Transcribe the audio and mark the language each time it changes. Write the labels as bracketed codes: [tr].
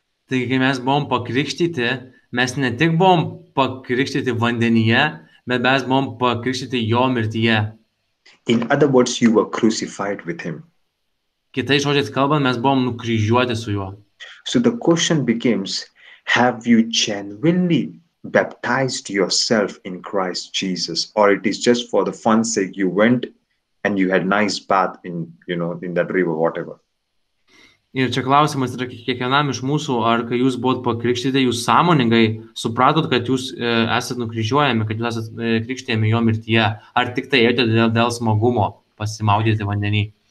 [lt] Taigi, kai mes buvom pakrikštyti, mes ne tik buvom pakrikštyti vandenyje, bet mes buvom pakrikštyti jo mirtyje. [en] In other words, you were crucified with him. [lt] Kitais žodžiais kalbant, mes buvom nukryžiuoti su juo. [en] So the question becomes, have you genuinely baptized yourself in Christ Jesus? Or it is just for the fun sake you went and you had nice bath in, you know, in that river, whatever. [lt] Ir čia klausimas yra kiekvienam iš mūsų, ar kai jūs buvot pakrikštyti, jūs sąmoningai supratot, kad jūs esat nukryžiuojami, kad jūs esat krikštėjami jo mirtyje, ar tik tai ėjote dėl smagumo pasimaudyti vandenį.